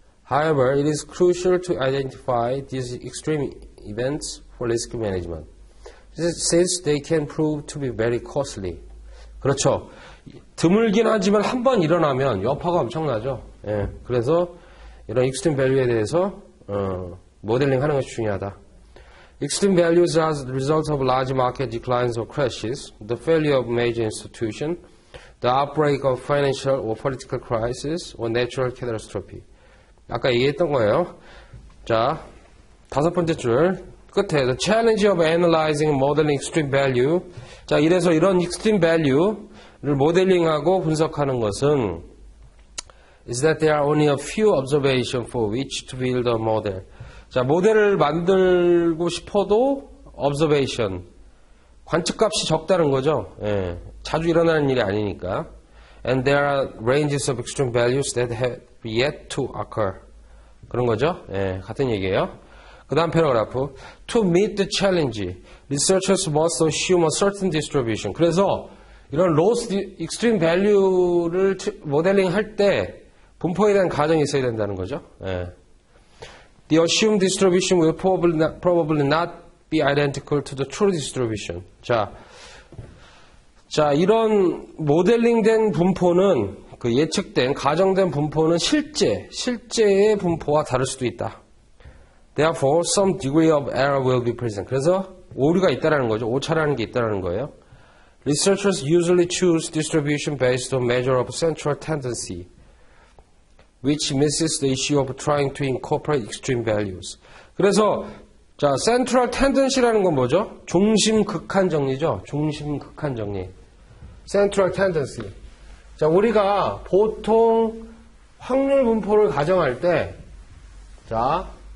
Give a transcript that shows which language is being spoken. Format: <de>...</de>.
<en>However, it is crucial to identify these extreme events for risk management, since they can prove to be very costly.</en> <ko>그렇죠. 드물긴 하지만 한 번 일어나면 여파가 엄청나죠. 예. 그래서 이런 익스트림 밸류에 대해서 모델링 하는 것이 중요하다.</ko> <en>Extreme values are the result of large market declines or crashes, the failure of major institution, the outbreak of financial or political crisis or natural catastrophe.</en> <ko>아까 얘기했던 거예요. 자, 다섯 번째 줄.</ko> <en>끝에 the challenge of analyzing modeling extreme value.</en> <ko>자, 이래서 이런 extreme value를 모델링하고 분석하는 것은</ko> <en>is that there are only a few observations for which to build a model.</en> <ko>자, 모델을 만들고 싶어도 observation 관측값이 적다는 거죠. 예, 자주 일어나는 일이 아니니까.</ko> <en>And there are ranges of extreme values that have yet to occur.</en> <ko>그런 거죠. 예, 같은 얘기예요. 그 다음 패러그래프.</ko> <en>To meet the challenge, researchers must assume a certain distribution.</en> <ko>그래서 이런 로스 익스트림 밸류를 모델링 할 때 분포에 대한 가정이 있어야 된다는 거죠. 예.</ko> <en>The assumed distribution will probably not be identical to the true distribution.</en> <ko>자, 이런 모델링된 분포는 그 예측된, 가정된 분포는 실제의 분포와 다를 수도 있다.</ko> <en>Therefore, some degree of error will be present.</en> <ko>그래서 오류가 있다라는 거죠. 오차라는 게 있다라는 거예요.</ko> <en>Researchers usually choose distribution based on measure of central tendency, which misses the issue of trying to incorporate extreme values.</en> <ko>그래서 자, 센트럴 텐던시라는 건 뭐죠? 중심 극한 정리죠. 중심 극한 정리. 센트럴 텐던시. 자, 우리가 보통 확률 분포를 가정할 때 자.</ko>